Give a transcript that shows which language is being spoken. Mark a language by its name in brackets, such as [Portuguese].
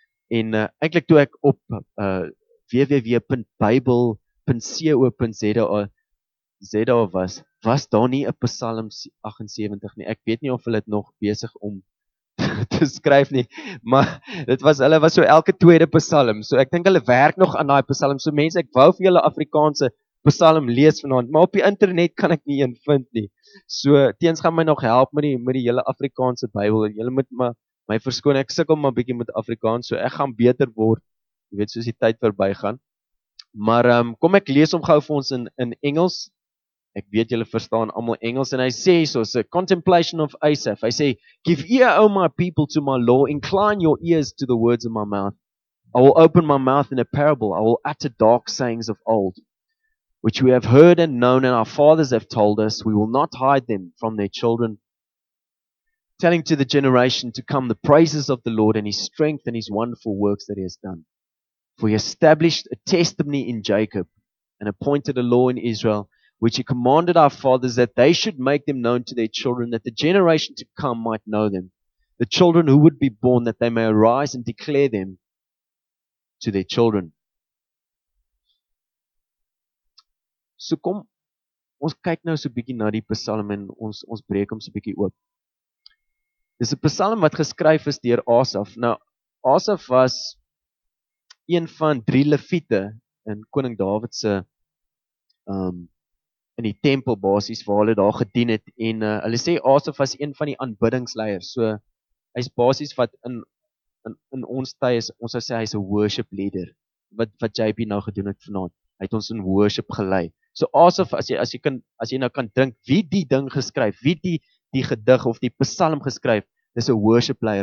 [Afrikaans] En eintlik toe ek op www.bybel.co.za was daar nie 'n Psalm 78 nie. Ek weet nie of hulle dit nog besig om te skryf nie, maar dit was, hulle was so elke tweede Psalm, so ek dink hulle werk nog aan daai Psalm, so mense, ek wou vir julle Afrikaanse Psalm lees vanaand, maar op die internet kan ek nie een vind nie, so teens gaan my nog help met die hele Afrikaanse Bybel, en julle moet my verskoon, ek sukkel maar bietjie met Afrikaans, so ek gaan beter word, jy weet, soos die tyd verby gaan, maar kom ek lees om gou vir ons in Engels. Ek weet julle verstaan almal Engels en hy sê so, [English] a contemplation of Asaph. [Afrikaans] Hy sê, [English] give ear, O my people, to my law. Incline your ears to the words of my mouth. I will open my mouth in a parable. I will utter dark sayings of old, which we have heard and known and our fathers have told us. We will not hide them from their children. Telling to the generation to come the praises of the Lord and his strength and his wonderful works that he has done. For he established a testimony in Jacob and appointed a law in Israel, which he commanded our fathers that they should make them known to their children, that the generation to come might know them, the children who would be born, that they may arise and declare them to their children. [Afrikaans] So kom, ons kyk nou so bietjie na die Psalm en ons breek hom so bietjie oop. Dis 'n Psalm wat geskryf is deur Asaf. Nou, Asaf was een van drie leviete in koning Dawid se in die tempel basies waar hulle daar gedien het en hulle sê Asaf was een van die aanbiddingsleiers. So hy's basies wat in ons tyd is, ons sou sê hy's 'n worship leader. Wat JP nou gedoen het vanaand. Hy het ons in worship gelei. So Asaf, as jy nou kan dink wie die ding geskryf, wie die gedig of die psalm geskryf, dis 'n worship leier.